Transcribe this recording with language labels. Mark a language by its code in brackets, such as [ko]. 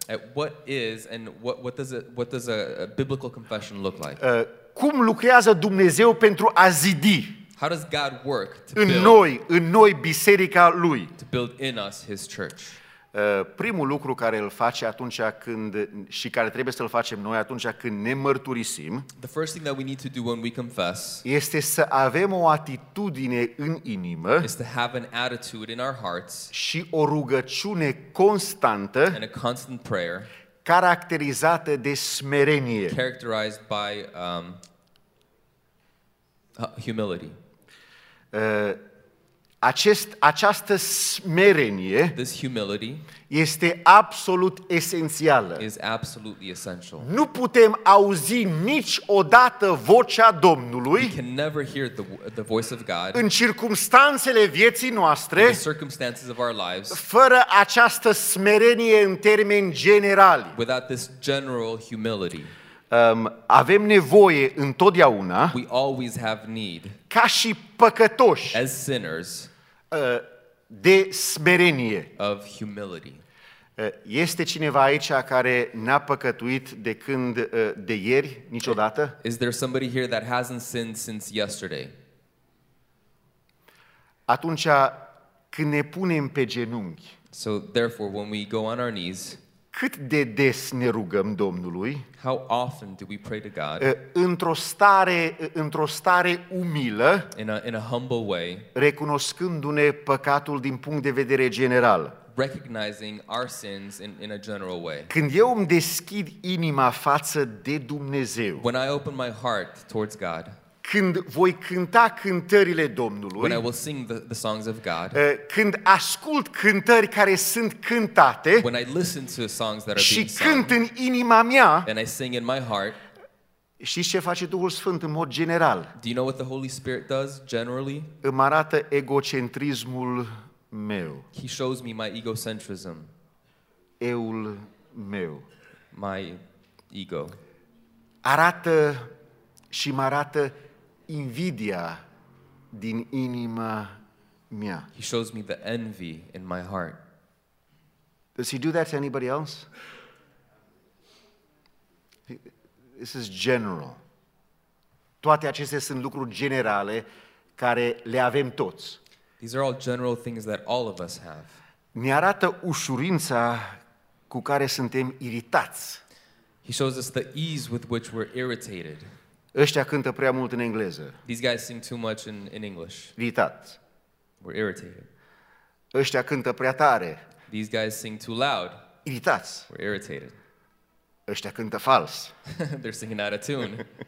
[en] At what is and what does a biblical confession look like? [ro] Cum lucrează Dumnezeu pentru a zidi? [en] How does God work to [ro] în [en] build [ro] noi, în noi biserica lui? [en] To build in us His church. [ro] Primul lucru care îl face atunci când și care trebuie să-l facem noi atunci când ne mărturisim, [en] the first thing that we need to do when we confess, [ro] este să avem o atitudine în inimă, [en] is to have an attitude in our hearts, [ro] și o rugăciune constantă, [en] and a constant prayer, [ro] caracterizată de smerenie, [en] characterized by humility. [ro] Această smerenie, [en] this humility, [ro] este absolut esențială. [en] Is absolutely essential. [ro] Nu putem auzi niciodată vocea Domnului. [en] We can never hear the voice of God [ro] în circumstanțele vieții noastre, [en] in the circumstances of our lives, [ro] fără această smerenie în termeni generali. [en] Without this general humility. [ro] Avem nevoie întotdeauna, [en] we always have need, [ro] ca și păcătoși, [en] as sinners, [ro] de smerenie. [en] Of humility. [ro] Este cineva aici care n-a păcătuit de când de ieri niciodată? [en] Is there somebody here that hasn't sinned since yesterday? [ro] Atunci când ne punem pe genunchi. [en] So therefore when we go on our knees. [ro] Cât de des ne rugăm Domnului? [en] How often do we pray to God? [ro] Într-o stare umilă, [en] in a humble way, [ro] recunoscându-ne păcatul din punct de vedere general. [en] Recognizing our sins in a general way. [ro] Când eu îmi deschid inima față de Dumnezeu. [en] When I open my heart towards God. [ro] Când voi cânta cântările Domnului, [en] when I will sing the songs of God, [ro] când ascult cântări care sunt cântate, [en] when I listen to songs that are [ro] și [en] being [ro] cânt [en] sung, [ro] în inima mea, [en] and I sing in my heart, [ro] știți ce face Duhul Sfânt în mod general? [en] Do you know what the Holy Spirit does generally? [ro] Îmi arată egocentrismul meu. [en] He shows me my egocentrism. [ro] Eul meu. [en] My ego. [ro] Arată și mă arată invidia din inima mea. [en] He shows me the envy in my heart. Does he do that to anybody else? This is general. [ro] Toate acestea sunt lucruri generale care le avem toți. [en] These are all general things that all of us have. [ro] Ne arată ușurința cu care suntem iritați. [en] He shows us the ease with which we're irritated. [ro] Ăștia cântă prea mult în engleză. [en] These guys sing too much in English. [ro] Iritat. [en] We're irritated. [ro] Ăștia cântă prea tare. [en] These guys sing too loud. [ro] Iritați. [en] We're irritated. [ro] Ăștia cântă fals. [en] They're singing out of tune.